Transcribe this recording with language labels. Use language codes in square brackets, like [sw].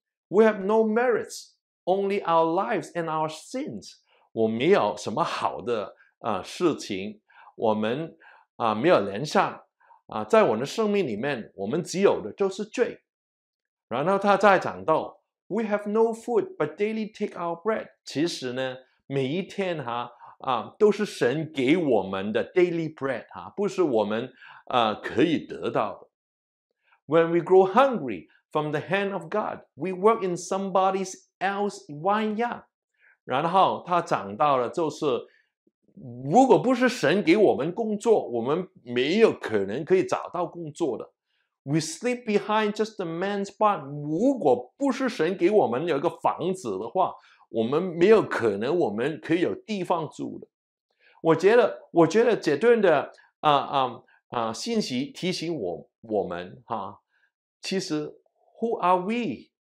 [en] We have no merits, only our lives and our sins. [zh] 我没有什么好的事情，我们没有良善在我的生命里面，我们只有的就是罪。然后他再讲到 [en] ，We have no food but daily take our bread. [zh] 其实呢，每一天都是神给我们的 daily bread 不是我们可以得到的。 [en] When we grow hungry from the hand of God, we work in somebody else's vineyard. [zh] 然后他讲到了，就是如果不是神给我们工作，我们没有可能可以找到工作的。 [en] We sleep behind just a man's barn. [zh] 如果不是神给我们有一个房子的话，我们没有可能我们可以有地方住的。我觉得这段的信息提醒我们其实 [en] Who are we?